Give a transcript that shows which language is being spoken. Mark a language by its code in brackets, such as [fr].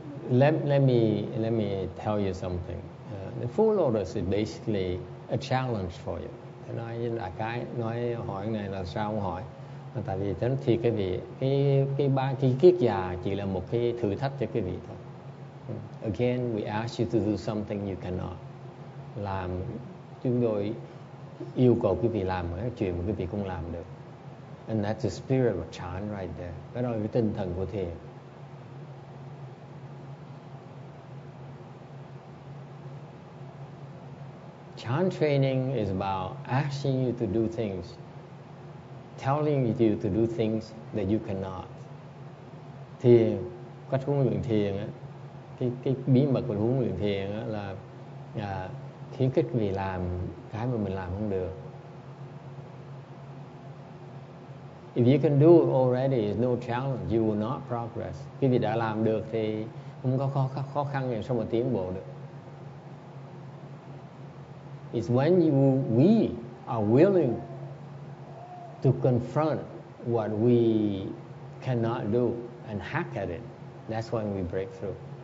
[en] Let me tell you something. The full lotus is basically a challenge for you. [vi] Thế nói với đại cái, nói hỏi này là sao ông hỏi? Tại vì thế thì cái vị cái ba cái kiết già chỉ là một cái thử thách cho cái vị thôi. [en] Again, we ask you to do something you cannot. [vi] Làm chúng tôi yêu cầu quý vị làm một cái chuyện mà quý vị không làm được. [en] And that's the spirit of chan right there. [vi] Đó là cái tinh thần của thiền. [en] Chan training is about asking you to do things, telling you to do things that you cannot. [vi] Thiền, cách huấn luyện thiền á, cái bí mật của huấn luyện thiền á là khuyến khích vì làm cái mà mình làm không được. [en] If you can do it already, it's no challenge, you will not progress. [vi] Khi vì đã làm được thì không có khó khăn gì sao mà tiến bộ được. [en] It's when we are willing to confront what we cannot do and hack at it, that's when we break through.